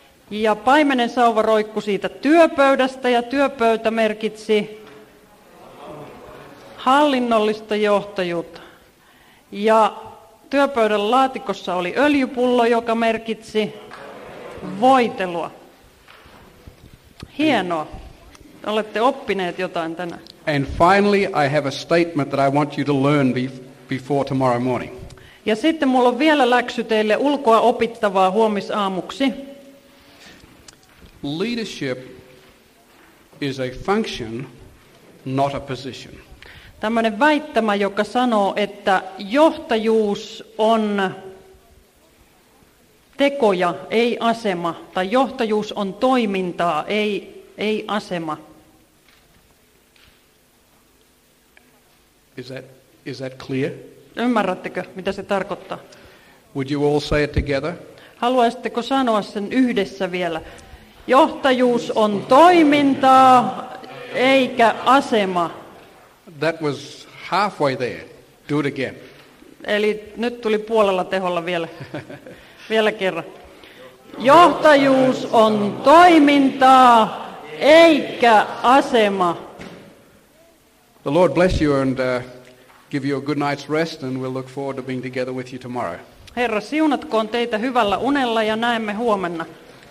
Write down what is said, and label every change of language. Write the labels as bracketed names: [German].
[Finnish] Ja paimenen sauva roikku siitä työpöydästä, ja työpöytä merkitsi hallinnollista johtajuutta. Ja työpöydän laatikossa oli öljypullo, joka merkitsi voitelua. Hienoa. Olette oppineet jotain tänään. [English] And finally, I have a statement that I want you to learn before tomorrow morning. [Finnish] Ja sitten mulla on vielä läksy teille ulkoa opittavaa huomisaamuksi. [English] Leadership is a function, not a position. [Finnish] Tämmöinen väittämä, joka sanoo, että johtajuus on tekoja, ei asema, tai johtajuus on toimintaa, ei asema. [English] Is that clear? [Finnish] Ymmärrättekö, mitä se tarkoittaa? [English] Would you all say it together? [Finnish] Haluaisitteko sanoa sen yhdessä vielä? Johtajuus on toimintaa, eikä asema. [English] That was halfway there. Do it again. [Finnish] Eli nyt tuli puolella teholla vielä. Vielä kerran. Johtajuus on toimintaa, eikä asema. [English] The Lord bless you and give you a good night's rest, and we'll look forward to being together with you tomorrow. [Finnish] Herra, siunatkoon teitä hyvällä unella, ja näemme huomenna.